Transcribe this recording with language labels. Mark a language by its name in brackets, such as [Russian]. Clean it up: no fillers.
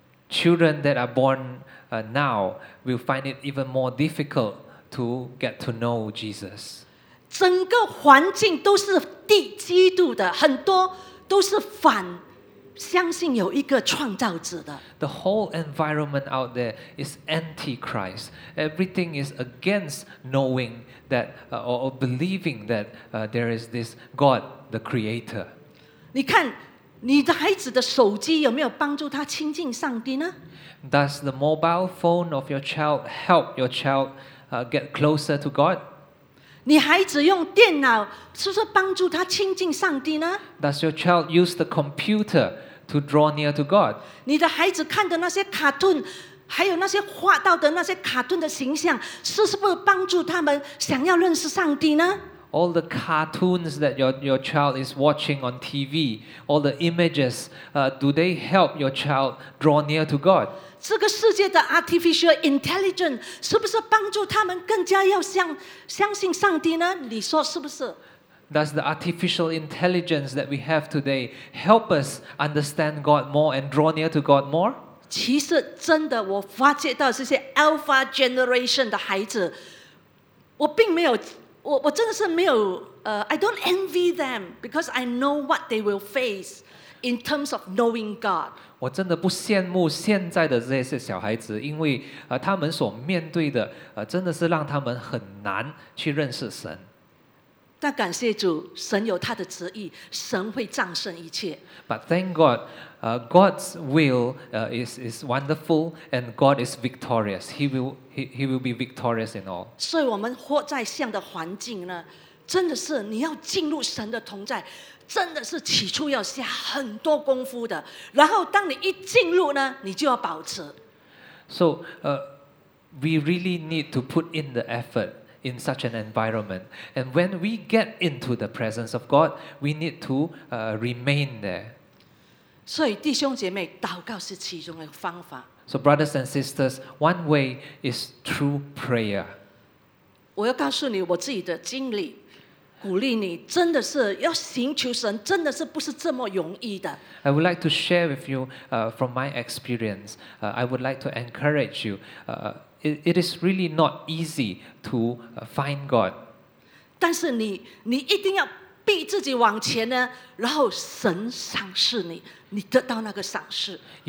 [English] Children that are born now will find it even more difficult to get to know Jesus. [Chinese] 整个环境都是敌基督的，很多都是反相信有一个创造者的。 [English] The whole environment out there is anti-Christ. Everything is against knowing that or believing that there is this God, the Creator. [Chinese] 你看你的孩子的手机有没有帮助他亲近上帝呢？ [English] Does the mobile phone of your child help your child get closer to God? [Chinese] 你孩子用电脑是不是帮助他亲近上帝呢？ [English] Does your child use the computer to draw near to God? [Chinese] 你的孩子看的那些卡通，还有那些画到的那些卡通的形象，是不是帮助他们想要认识上帝呢？ [English] All the cartoons that your child is watching on TV, all the images, do they help your child draw near to God? [Chinese] 这个世界的 artificial intelligence 是不是帮助他们更加要相信上帝呢？你说是不是？ [English] Does the artificial intelligence that we have today help us understand God more and draw near to God more? [Chinese] 其实真的，我发觉到这些 alpha generation 的孩子，我并没有。我真的是没有 [English] I don't envy them because I know what they will face in terms of knowing God. [Chinese] 我真的不羡慕现在的这些小孩子，因为他们所面对的真的是让他们很难去认识神。但感谢主，神有他的旨意，神会战胜一切。 [English] But thank God, God's will is wonderful, and God is victorious. He will be victorious in all. [Chinese] 所以我们活在这样的环境呢，真的是你要进入神的同在，真的是起初要下很多功夫的，然后当你一进入呢，你就要保持。 [English] So, we really need to put in the effort in such an environment. And when we get into the presence of God, we need to remain there. [Chinese] 所以弟兄姐妹，祷告是其中的方法。 [English] So, brothers and sisters, one way is through prayer. [Chinese] 我要告诉你我自己的经历。鼓励你真的是要寻求神真的是不是这么容易的。 [English] I would like to share with you from my experience. I would like to encourage you. It is really not easy to find God. [Chinese] 但是 你一定要逼自己往前呢，然后神赏识你，你得到那个赏识。